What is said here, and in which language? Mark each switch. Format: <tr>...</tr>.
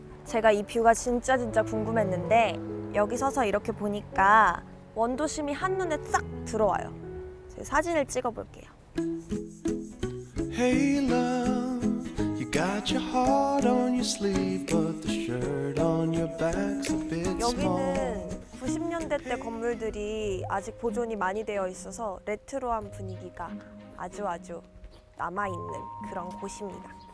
<ko>제가 이 뷰가 진짜 궁금했는데, 여기 서서 이렇게 보니까 원도심이 한눈에 싹 들어와요. 제가 사진을 찍어볼게요.</ko> <en>Hey love, you got your heart on your sleeve, but the shirt on your back's a bit small.</en> <ko>여기는 90년대 때 건물들이 아직 보존이 많이 되어 있어서 레트로한 분위기가 아주 남아있는 그런 곳입니다.</ko>